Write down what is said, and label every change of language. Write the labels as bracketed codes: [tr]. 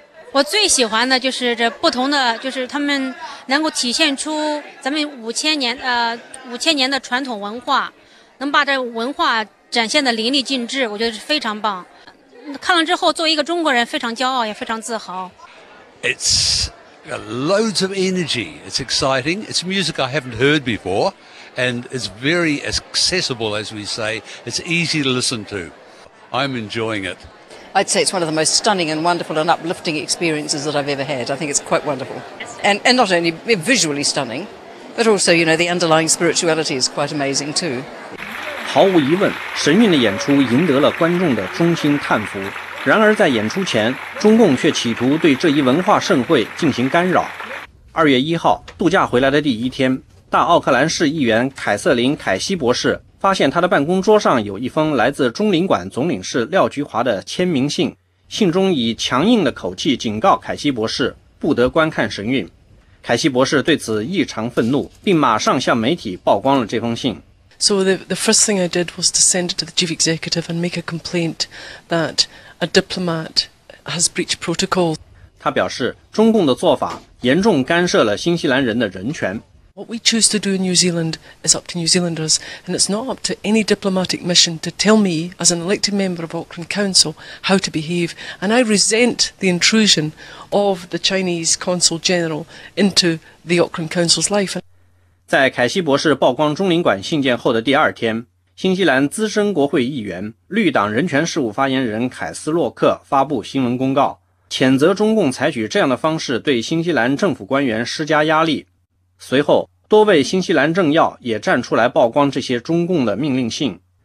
[zh] 我最喜欢的就是这不同的，就是他们能够体现出咱们五千年的传统文化，能把这文化展现得淋漓尽致，我觉得是非常棒。看了之后，作为一个中国人，非常骄傲，也非常自豪。 [en] It's got loads of energy. It's exciting. It's music I haven't heard before, and it's very accessible, as we say. It's easy to listen to. I'm enjoying it. I'd say it's one of the most stunning and wonderful and uplifting experiences that I've ever had. I think it's quite wonderful. And not only visually stunning, but also, you know, the underlying spirituality is quite amazing too. [zh] 毫无疑问，神韵的演出赢得了观众的衷心叹服。然而在演出前，中共却企图对这一文化盛会进行干扰。 2月1号，度假回来的第一天，大奥克兰市议员凯瑟琳·凯西博士发现他的办公桌上有一封来自中领馆总领事廖菊华的签名信，信中以强硬的口气警告凯西博士不得观看神韵。凯西博士对此异常愤怒，并马上向媒体曝光了这封信。 [en] So the first thing I did was to send it to the chief executive and make a complaint that a diplomat has breached protocol. [zh] 他表示，中共的做法严重干涉了新西兰人的人权。 [en] What we choose to do in New Zealand is up to New Zealanders, and it's not up to any diplomatic mission to tell me, as an elected member of Auckland Council, how to behave. And I resent the intrusion of the Chinese Consul General into the Auckland Council's life. [zh] 在凯西博士曝光中领馆信件后的第二天，新西兰资深国会议员、绿党人权事务发言人凯斯洛克发布新闻公告，谴责中共采取这样的方式对新西兰政府官员施加压力。随后，多位新西兰政要也站出来曝光这些中共的命令信。